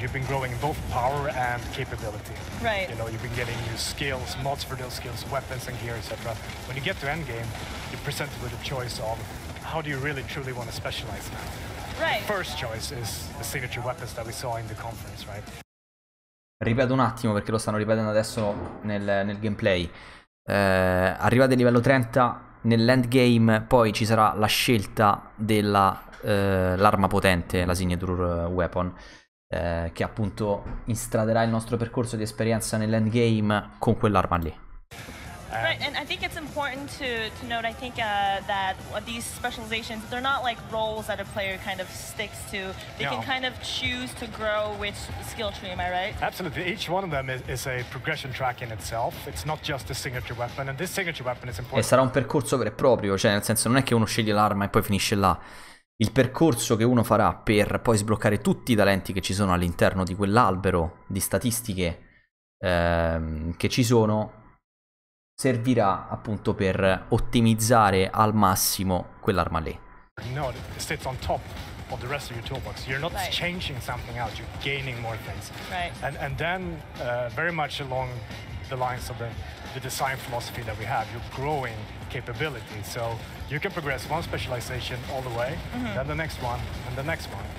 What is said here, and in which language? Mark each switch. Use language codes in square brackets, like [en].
[en] You've been growing both power and capability. Right. You've been getting new skills, mods for those skills, weapons and gear, etc. When you get to endgame, you're presented with a choice of how do you really truly want to specialize now. Right. The first choice is the signature weapons that we saw in the conference, right? [it] Ripeto un attimo perché lo stanno ripetendo adesso nel gameplay. Arrivate a livello 30 nell'endgame, poi ci sarà la scelta della l'arma potente, la signature weapon, che appunto instraderà il nostro percorso di esperienza nell'endgame con quell'arma lì. [en] Right, and I think it's important to note, I think that these specializations, they're not like roles that a player kind of sticks to. They can kind of choose to grow which skill tree, am I right? Absolutely. Each one of them is a progression track in itself. It's not just a signature weapon, and this signature weapon is important. [it] E sarà un percorso vero e proprio, cioè nel senso non è che uno sceglie l'arma e poi finisce là. Il percorso che uno farà per poi sbloccare tutti i talenti che ci sono all'interno di quell'albero di statistiche che ci sono servirà appunto per ottimizzare al massimo quell'arma lì. [en] No, it sits on top of the rest of your toolbox. You're not changing something else, you're gaining more things. Right. And then very much along the lines of the design philosophy that we have, you're growing capability. So you can progress one specialization all the way, then the next one, and the next one.